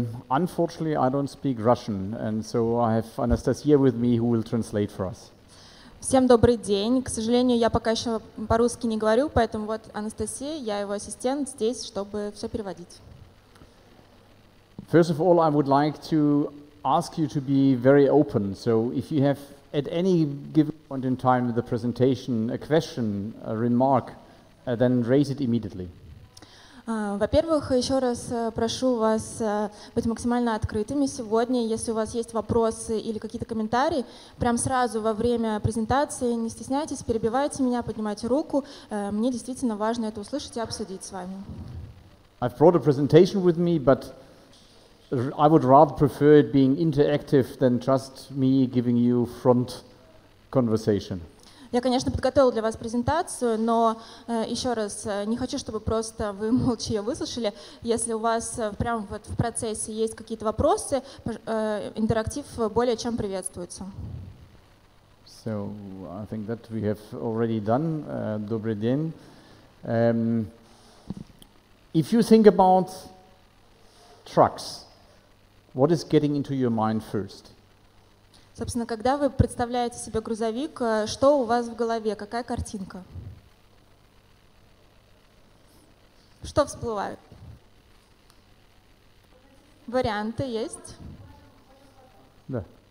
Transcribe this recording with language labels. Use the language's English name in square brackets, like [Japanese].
[English] Unfortunately, I don't speak Russian, and so I have Anastasia with me who will translate for us. [Russian] Всем добрый день. К сожалению, я пока еще по-русски не говорю, поэтому вот Анастасия, я его ассистент здесь, чтобы все переводить. [English] First of all, I would like to ask you to be very open. So if you have at any given point in time in the presentation a question, a remark, then raise it immediately. [Russian] Во-первых, еще раз прошу вас быть максимально открытыми сегодня. Если у вас есть вопросы или какие-то комментарии, прям сразу во время презентации не стесняйтесь, перебивайте меня, поднимайте руку. Мне действительно важно это услышать и обсудить с вами. [English] I've brought a presentation with me, but I would rather prefer it being interactive than just me giving you front conversation. [Russian] Я, конечно, подготовила для вас презентацию, но еще раз, не хочу, чтобы просто вы молча ее выслушали. Если у вас прямо вот в процессе есть какие-то вопросы, интерактив более чем приветствуется. [English] So, I think that we have already done. [Russian] Добрый день. [English] If you think about trucks, what is getting into your mind first? [Russian] Собственно, когда вы представляете себе грузовик, что у вас в голове, какая картинка? Что всплывает? Варианты есть? Да.